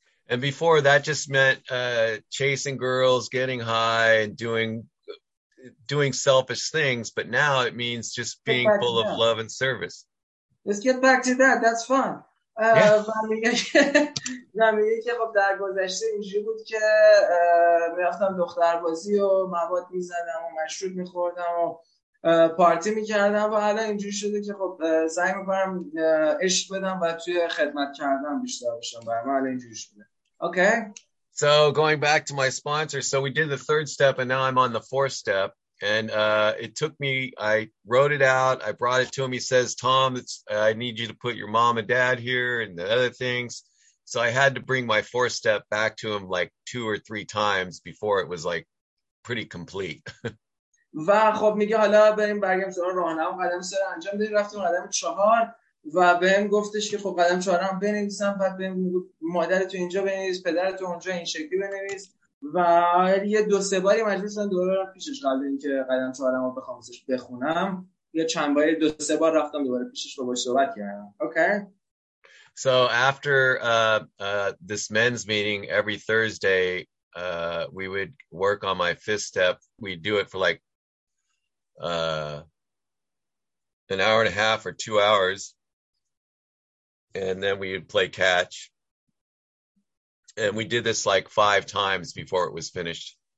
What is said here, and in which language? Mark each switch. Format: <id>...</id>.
<en>And before that just meant chasing girls, getting high and doing selfish things, but now it means just being full of love and service. Let's get back to that. That's fun.</en> <fa>میگه که خب در گذشته اینجوری بود که میافتم دختر بازی و مواد میزدم و مشروب میخوردم و پارتی میکردم و حالا اینجوری شده که خب سعی میکنم عشق بدم و توی خدمت کردن بیشتر باشم. برای من اینجوری شده.</fa> <en>Okay. So going back to my sponsor, so we did the third step and now I'm on the fourth step. And it took me, I wrote it out, I brought it to him. He says, Tom, I need you to put your mom and dad here and the other things. So I had to bring my fourth step back to him like two or three times before it was like pretty complete.</en> <fa>و خب میگه حالا بریم برگم سر راهنما قدم سر انجام بدیم. رفتم قدم چهار و بهم گفتش که خب قدم چهار هم بنویسم، بعد بهم مادر تو اینجا بنویس، پدر تو اونجا این شکلی بنویس و یه دو سه باری مجبور شدم دوباره رفتم پیشش قبل اینکه قدم چهار رو بخوام ازش بخونم، یه چند باری دو سه بار رفتم دوباره پیشش رو باش صحبت کردم.</fa> <en>Okay. So after this men's meeting every Thursday we would work on my fifth step. We'd do it for like an hour and a half or 2 hours, and then we would play catch, and we did this like five times before it was finished.</en>